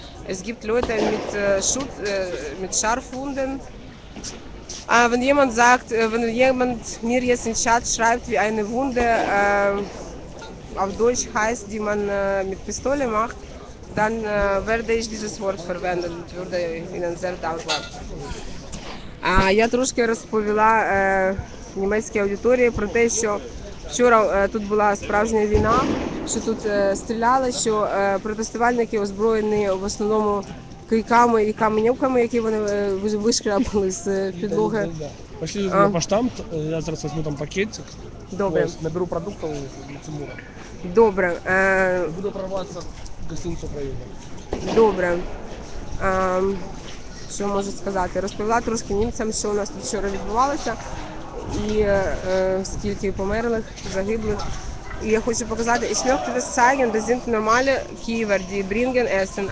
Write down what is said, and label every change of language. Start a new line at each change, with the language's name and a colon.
German: Es gibt Leute mit Schutz, mit Scharfwunden. Wenn jemand sagt, wenn jemand mir jetzt in Chat schreibt, wie eine Wunde auf Deutsch heißt, die man mit Pistole macht, dann werde ich dieses Wort verwenden und würde Ihnen sehr dankbar.
Ukrainian: Я трошки розповіла німецькій аудиторії про те, що вчора тут була справжня війна, що тут стріляли, що протестувальники озброєні в основному кийками і каменюками, які вони вишкрабали з підлоги. Пішли на поштамт, я зараз візьму там пакетик, наберу продукти для Тимура. Добре. Буду прорватися в гостиницю України. Добре. Що можу сказати? Розповіла трошки німцям, що у нас тут вчора відбувалося.
Russian: И сколько
Ukrainian: померлих, загиблих.
Russian: И я хочу показать,
German: ich möchte das zeigen, das sind normale Kiewer, die bringen Essen.